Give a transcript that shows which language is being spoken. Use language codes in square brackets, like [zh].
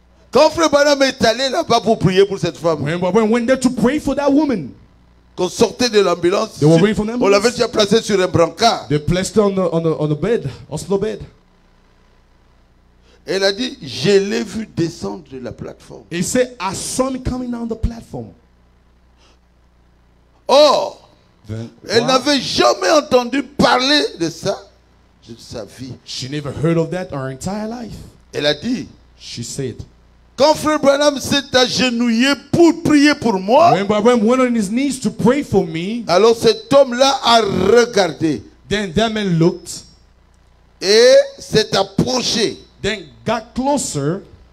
[fr] Quand frère Branham est allé là-bas pour prier pour cette femme. [en] When Brother Branham went there to pray for that woman. [fr] Qu'on sortait de l'ambulance. [en] They were waiting for the ambulance. [fr] On l'avait déjà placé sur un brancard. [en] They placed her on the bed, hospital bed. [fr] Elle a dit, je l'ai vu descendre de la plateforme. [en] He said, I saw him coming down the platform. [fr] Oh! Elle n'avait jamais entendu parler de ça. Sa vie. [en] She never heard of that her entire life. [fr] Elle a dit, [en] she said, [fr] quand frère Branham s'est agenouillé pour prier pour moi, [en] when Brother Branham went on his knees to pray for me, [fr] alors cet homme-là a regardé. [en] Then that man looked, [fr] et s'est approché. [en] Then got closer.